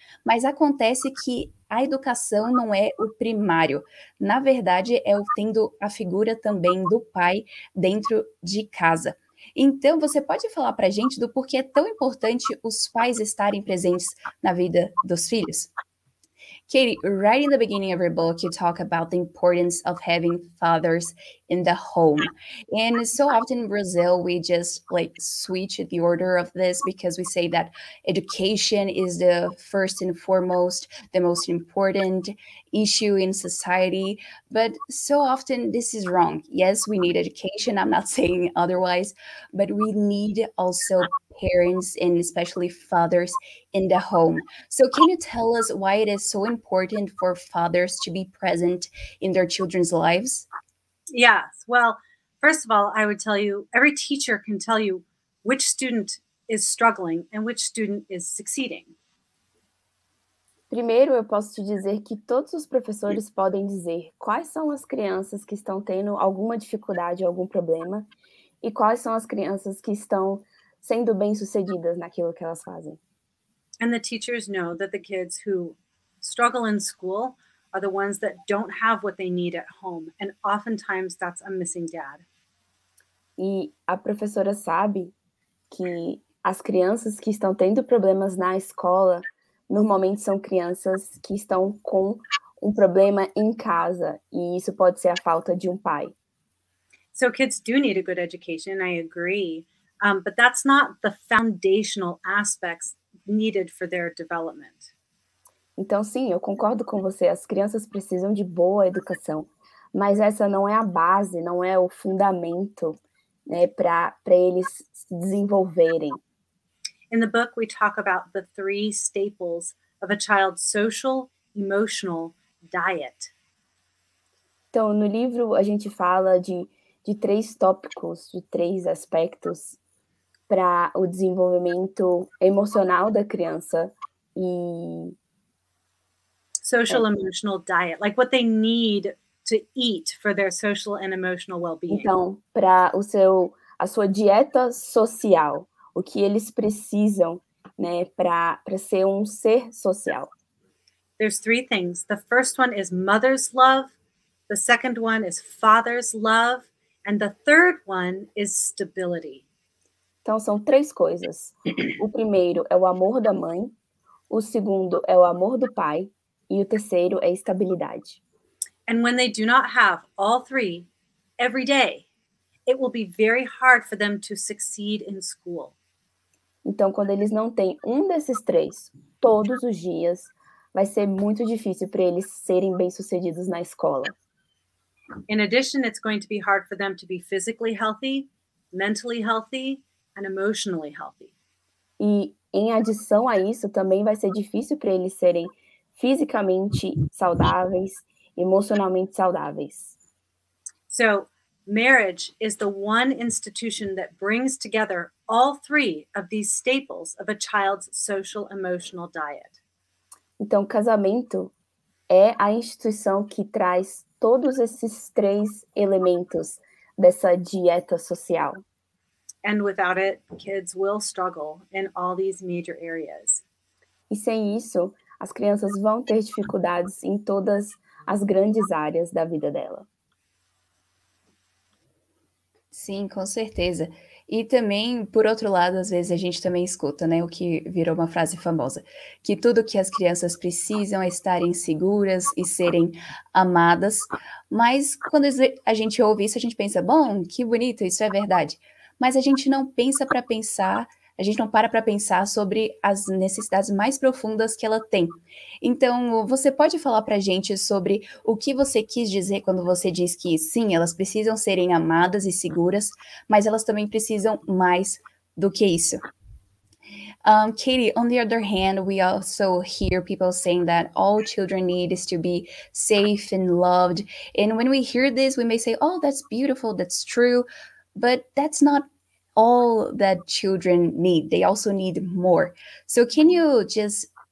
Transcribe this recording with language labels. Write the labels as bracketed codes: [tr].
[pt] Mas acontece que a educação não é o primário. Na verdade, é o tendo a figura também do pai dentro de casa. Então, você pode falar para a gente do porquê é tão importante os pais estarem presentes na vida dos filhos? [en] Katie, right in the beginning of your book, you talk about the importance of having fathers in the home. And so often in Brazil, we just like switch the order of this because we say that education is the first and foremost, the most important issue in society. But so often this is wrong. Yes, we need education. I'm not saying otherwise, but we need also parents and especially fathers in the home. So can you tell us why it is so important for fathers to be present in their children's lives? Yes. Well, first of all, I would tell you, every teacher can tell you which student is struggling and which student is succeeding. [pt] Primeiro, eu posso te dizer que todos os professores podem dizer quais são as crianças que estão tendo alguma dificuldade, algum problema, e quais são as crianças que estão sendo bem-sucedidas naquilo que elas fazem. [en] And the teachers know that the kids who struggle in school are the ones that don't have what they need at home, and oftentimes that's a missing dad. [pt] E a professora sabe que as crianças que estão tendo problemas na escola normalmente são crianças que estão com um problema em casa, e isso pode ser a falta de um pai. [en] So kids do need a good education, I agree. But that's not the foundational aspects needed for their development. [pt] Então, sim, eu concordo com você. As crianças precisam de boa educação. Mas essa não é a base, não é o fundamento, né, para eles se desenvolverem. [en] In the book, we talk about the three staples of a child's social, emotional diet. [pt] Então, no livro, a gente fala de três tópicos, de três aspectos para o desenvolvimento emocional da criança e [en] social emotional diet, like what they need to eat for their social and emotional well-being. [pt] Então, para o seu a sua dieta social, o que eles precisam, né, para ser um ser social. [en] There's three things. The first one is mother's love, the second one is father's love, and the third one is stability. [pt] Então, são três coisas. O primeiro é o amor da mãe, o segundo é o amor do pai, e o terceiro é estabilidade. [en] And when they do not have all three every day, it will be very hard for them to succeed in school. [pt] Então, quando eles não têm um desses três todos os dias, vai ser muito difícil para eles serem bem-sucedidos na escola. [en] In addition, it's going to be hard for them to be physically healthy, mentally healthy, and emotionally healthy. [pt] E em adição a isso, também vai ser difícil para eles serem fisicamente saudáveis, emocionalmente saudáveis. [en] So, marriage is the one institution that brings together all three of these staples of a child's social emotional diet. [pt] Então, casamento é a instituição que traz todos esses três elementos dessa dieta social. [en] And without it, kids will struggle in all these major areas. [pt] E sem isso, as crianças vão ter dificuldades em todas as grandes áreas da vida dela. Sim, com certeza. E também, por outro lado, às vezes a gente também escuta, né, o que virou uma frase famosa, que tudo que as crianças precisam é estarem seguras e serem amadas. Mas quando a gente ouve isso, a gente pensa, bom, que bonito, isso é verdade. Mas a gente não pensa para pensar, a gente não para para pensar sobre as necessidades mais profundas que ela tem. Então, você pode falar para a gente sobre o que você quis dizer quando você diz que, sim, elas precisam serem amadas e seguras, mas elas também precisam mais do que isso. [en] Katie, on the other hand, we also hear people saying that all children need is to be safe and loved. And when we hear this, we may say, oh, that's beautiful, that's true. But that's not all that children need. They also need more. So can you just